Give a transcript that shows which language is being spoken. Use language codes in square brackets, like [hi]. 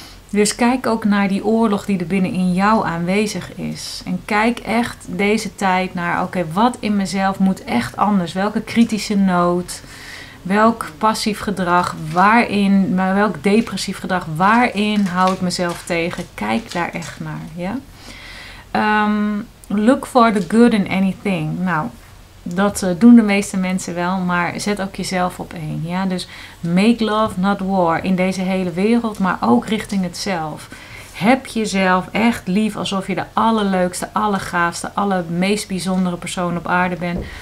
[nl] Dus kijk ook naar die oorlog die er binnen in jou aanwezig is. En kijk echt deze tijd naar, wat in mezelf moet echt anders? Welke kritische nood? Welk passief gedrag? Waarin, maar welk depressief gedrag? Waarin hou ik mezelf tegen? Kijk daar echt naar, ja? [en] Look for the good in anything. [nl] Nou, dat doen de meeste mensen wel, maar zet ook jezelf op één. Ja? Dus [en] make love, not war [nl] in deze hele wereld, maar ook richting het zelf. Heb jezelf echt lief alsof je de allerleukste, allergaafste, allermeest bijzondere persoon op aarde bent.